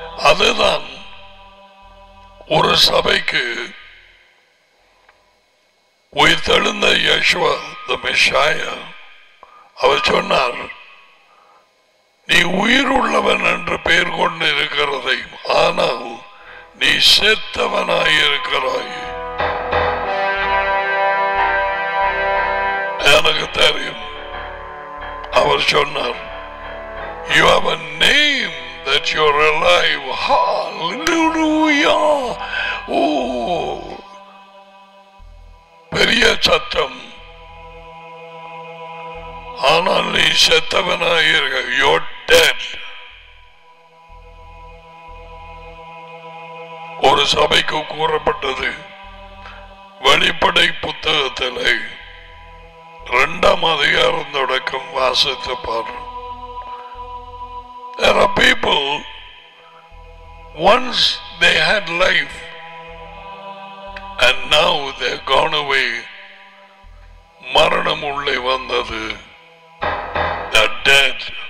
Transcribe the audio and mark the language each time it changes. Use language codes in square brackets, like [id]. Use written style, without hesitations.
[ta] அதுதான் ஒரு சபைக்கு உயிர்த்தெழுந்த யேசுவா மெஷ்ஷாயா அவர் சொன்னார், நீ உயிருள்ளவன் என்று பெயர் கொண்டு இருக்கிறதை ஆனால் நீ செத்தவனாயிருக்கிறாய். எனக்கு தெரியும் அவர் சொன்னார், [en] You have a name that you're alive. Hallelujah! [ta] பெரிய சத்தம், ஆனால் நீ செத்தவனாயிருக்க, [en] your dead. [ta] ஒரு சபைக்கு கூறப்பட்டது வெளிப்படை புத்தகத்திலே 2 தொடக்கம் வாசித்து பாரு. [en] There are people, once they had life and now they have gone away. [ta] Maranam ulle vandathu, [en] they are dead.